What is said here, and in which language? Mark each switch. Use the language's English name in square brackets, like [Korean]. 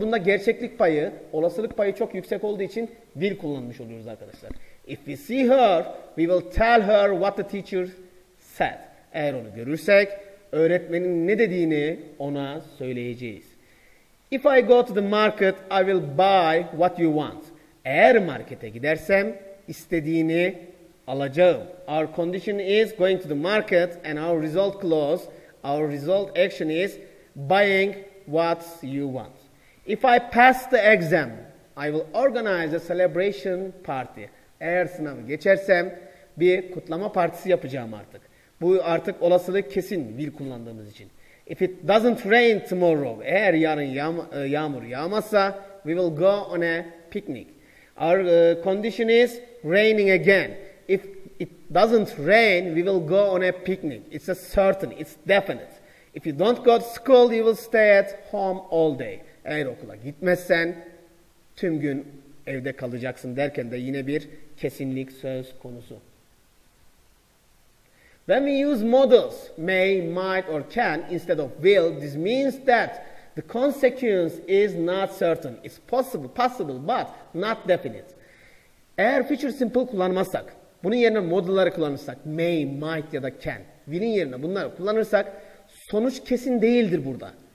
[Turkish] Bunda gerçeklik payı, olasılık payı çok yüksek olduğu için will kullanmış oluyoruz arkadaşlar. [English] If we see her, we will tell her what the teacher said. [Turkish] Eğer onu görürsek, öğretmenin ne dediğini ona söyleyeceğiz. [English] If I go to the market, I will buy what you want. [Turkish] Eğer markete gidersem, istediğini alacağım. [English] Our condition is going to the market and our result clause, our result action is buying what you want. If I pass the exam, I will organize a celebration party. [Turkish] Eğer sınavı geçersem bir kutlama partisi yapacağım artık. Bu artık olasılık kesin will kullandığımız için. [English] If it doesn't rain tomorrow, [Turkish] eğer yarın yağmur yağmazsa, [English] we will go on a picnic. Our condition is raining again. If it doesn't rain, we will go on a picnic. It's a certain, it's definite. If you don't go to school, you will stay at home all day. [Turkish] Eğer okula gitmezsen, tüm gün evde kalacaksın derken de yine bir kesinlik söz konusu. [English] When we use models, may, might or can instead of will, this means that the consequence is not certain. It's possible, possible but not definite. [Turkish] Eğer future simple kullanmazsak, bunun yerine modelleri kullanırsak, may, might ya da can, will'in yerine bunları kullanırsak, sonuç kesin değildir burada.